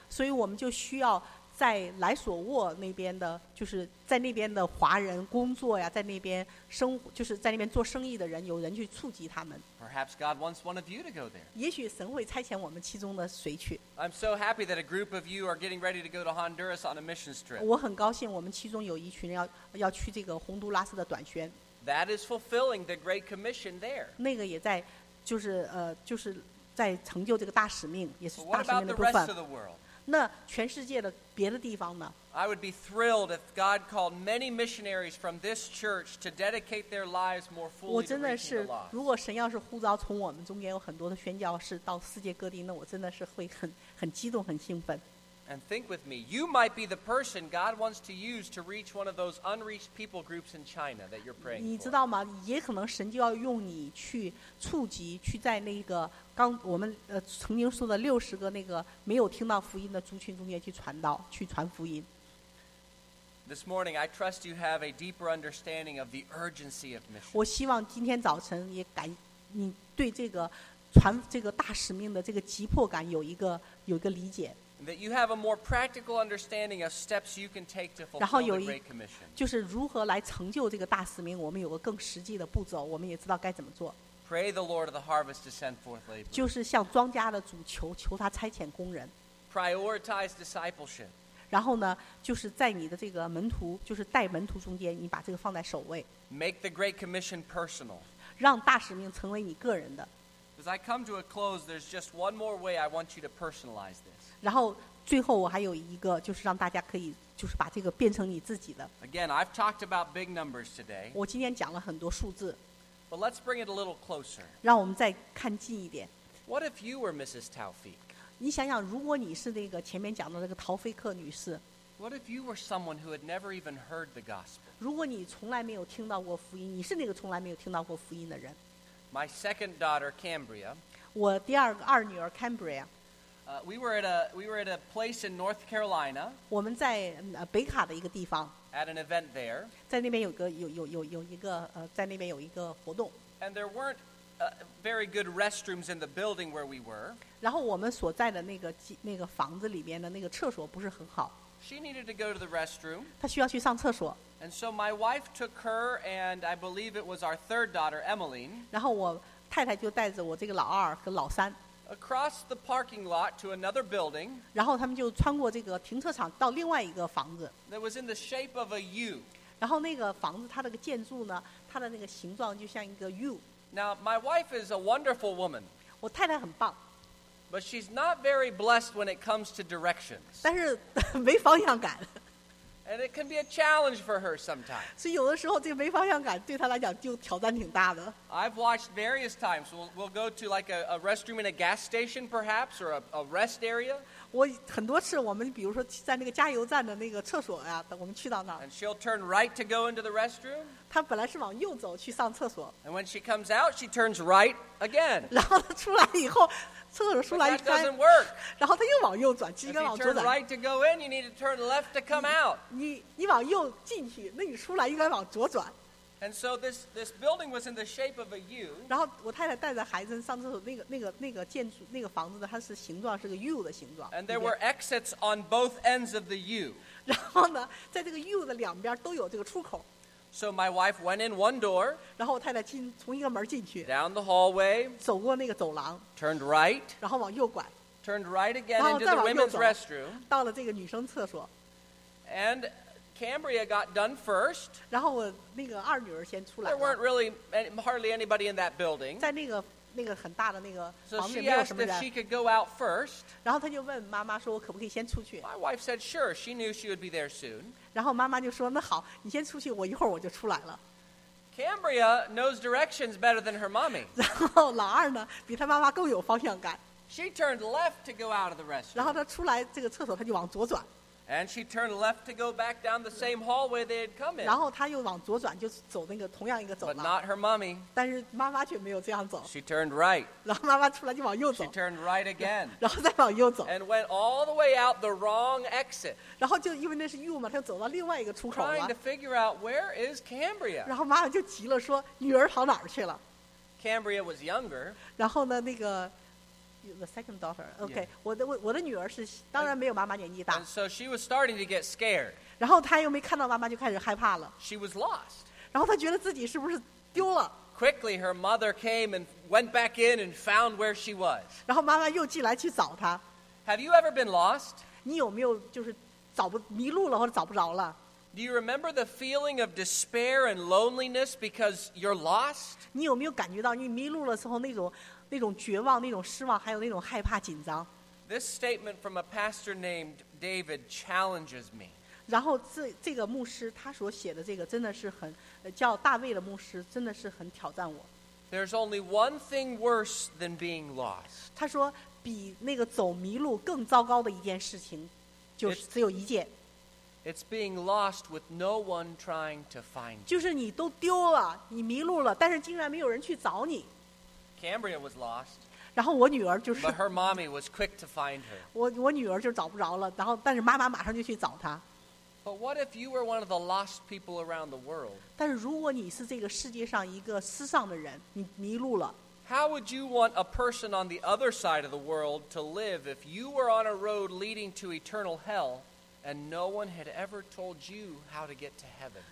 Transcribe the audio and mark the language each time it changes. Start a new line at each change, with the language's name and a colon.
Chinese: 所以我们就需要在莱索沃那边的，就是在那边的华人工作呀，在那边生，就是在那边做生意的人，有人去触及他们。
English: Perhaps God wants one of you to go there.
Chinese: 也许神会差遣我们其中的谁去。
English: I'm so happy that a group of you are getting ready to go to Honduras on a mission trip.
Chinese: 我很高兴，我们其中有一群人要去这个洪都拉斯的短宣。
English: That is fulfilling the Great Commission there.
Chinese: 那个也在，就是在成就这个大使命，也是大使命的部分。
English: What about the rest of the world?
Chinese: 那全世界的别的地方呢？
English: I would be thrilled if God called many missionaries from this church to dedicate their lives more fully to reaching the lost.
Chinese: 如果神要是呼召从我们中间有很多的宣教士到世界各地，那我真的是会很激动，很兴奋。
English: And think with me, you might be the person God wants to use to reach one of those unreached people groups in China that you're praying for.
Chinese: 你知道吗？也可能神就要用你去触及，去在那个刚我们曾经说的六十个那个没有听到福音的族群中间去传道，去传福音。
English: This morning, I trust you have a deeper understanding of the urgency of mission.
Chinese: 我希望今天早晨也感你对这个传这个大使命的这个急迫感有一个理解。
English: That you have a more practical understanding of steps you can take to fulfill the Great Commission.
Chinese: 就是如何来成就这个大使命，我们有个更实际的步骤，我们也知道该怎么做。
English: Pray the Lord of the harvest to send forth laborers.
Chinese: 就是向庄稼的主求他差遣工人。
English: Prioritize discipleship.
Chinese: 然后呢，就是在你的这个门徒，就是带门徒中间，你把这个放在首位。
English: Make the Great Commission personal.
Chinese: 让大使命成为你个人的。
English: As I come to a close, there's just one more way I want you to personalize this.
Chinese: 然后最后我还有一个，就是让大家可以就是把这个变成你自己的。
English: Again, I've talked about big numbers today.
Chinese: 我今天讲了很多数字。
English: But let's bring it a little closer.
Chinese: 让我们再看近一点。
English: What if you were Mrs. Taufik?
Chinese: 你想想，如果你是那个前面讲的那个陶菲克女士。
English: What if you were someone who had never even heard the gospel?
Chinese: 如果你从来没有听到过福音，你是那个从来没有听到过福音的人。
English: My second daughter, Cambria.
Chinese: 我第二女儿 Cambria.
English: We were at a place in North Carolina.
Chinese: 我们在北卡的一个地方。
English: At an event there.
Chinese: 在那边有一个在那边有一个活动。
English: And there weren't very good restrooms in the building where we were.
Chinese: 然后我们所在的那个房子里面的那个厕所不是很好。
English: She needed to go to the restroom.
Chinese: 她需要去上厕所。
English: And so my wife took her, and I believe it was our third daughter, Emmeline.
Chinese: 然后我太太就带着我这个老二和老三。
English: Across the parking lot to another building.
Chinese: 然后他们就穿过这个停车场到另外一个房子。
English: That was in the shape of a U.
Chinese: 然后那个房子它的建筑呢，它的那个形状就像一个 U.
English: Now my wife is a wonderful woman.
Chinese: 我太太很棒。
English: But she's not very blessed when it comes to directions.
Chinese: 但是没方向感。
English: And it can be a challenge for her sometimes.
Chinese: 所以有的时候这个没方向感对她来讲就挑战挺大的。
English: I've watched various times. We'll go to like a restroom in a gas station perhaps or a rest area.
Chinese: 我很多次我们比如说在那个加油站的那个厕所呀，我们去到那。
English: And she'll turn right to go into the restroom.
Chinese: 她本来是往右走去上厕所。
English: And when she comes out, she turns right again.
Chinese: 然后她出来以后。厕所出来一翻，
English: work.
Chinese: 然后他又往右转，直接往左转。
English: Right to go in, you need to turn left to come out.
Chinese: 你往右进去，那你出来应该往左转。
English: And so this building was in the shape of a U.
Chinese: 然后我太太带着孩子上厕所，那个建筑那个房子的，它是形状是个 U 的形状。
English: And there were exits on both ends of the U.
Chinese: 然后呢，在这个 U 的两边都有这个出口。
English: So my wife went in one door.
Chinese: 然后我太太进从一个门进去。
English: Down the hallway.
Chinese: 走过那个走廊。
English: Turned right.
Chinese: 然后往右拐。
English: Turned right again into the women's restroom.
Chinese: 到了这个女生厕所。
English: And Cambria got done first.
Chinese: 然后我那个二女儿先出来了。
English: There weren't really hardly anybody in that building.
Chinese: 在那个很大的那个房子里面没有什么人。
English: So she asked if she could go out first.
Chinese: 然后她就问妈妈说：“我可不可以先出去？”
English: My wife said, "Sure." She knew she would be there soon.
Chinese: 然后妈妈就说：“那好，你先出去，我一会儿我就出来了。”
English: Cambria knows directions better than her mommy.
Chinese: 然后老二呢，比她妈妈更有方向感。
English: She turned left to go out of the restroom.
Chinese: 然后她出来这个厕所，她就往左转。
English: And she turned left to go back down the same hallway they had come in.
Chinese: 然后她又往左转，就走那个同样一个走廊。
English: But not her mommy.
Chinese: 但是妈妈却没有这样走。
English: She turned right.
Chinese: 然后妈妈出来就往右走。
English: She turned right again.
Chinese: 然后再往右走。
English: And went all the way out the wrong exit.
Chinese: 然后就因为那是 U 嘛，她走到另外一个出口了。
English: Trying to figure out where is Cambria.
Chinese: 然后妈妈就急了，说女儿跑哪儿去了
English: ？Cambria was younger.
Chinese: 然后呢，那个。
English: The second daughter. Okay, yeah.
Chinese: 我的女儿是当然没有妈妈年纪大。
English: And so she was starting to get scared.
Chinese: 然后她又没看到妈妈，就开始害怕了。
English: She was lost.
Chinese: 然后她觉得自己是不是丢了
English: ？Quickly, her mother came and went back in and found where she was.
Chinese: 然后妈妈又进来去找她。
English: Have you ever been lost?
Chinese: 你有没有就是找不迷路了或者找不着了
English: ？Do you remember the feeling of despair and loneliness because you're lost?
Chinese: 你有没有感觉到你迷路了之后那种绝望，那种失望，还有那种害怕、紧张。
English: This statement from a pastor named David challenges me.
Chinese: 然后这个牧师他所写的这个真的是很叫大卫的牧师真的是很挑战我。
English: There's only one thing worse than being lost.
Chinese: 他说比那个走迷路更糟糕的一件事情，就是只有一件。
English: It's being lost with no one trying to find.
Chinese: 就是你都丢了，你迷路了，但是竟然没有人去找你。
English: Cambria was lost.
Chinese: 然后我女儿就是。
English: But her mommy was quick to find her.
Chinese: 我女儿就找不着了，然后但是妈妈马上就去找她。
English: But what if you were one of the lost people around the world?
Chinese: 但如果你是这个世界上一个失丧的人，你迷路了。
English: How would you want a person on the other side of the world to live if you were on a road leading to eternal hell and no one had ever told you how to get to heaven?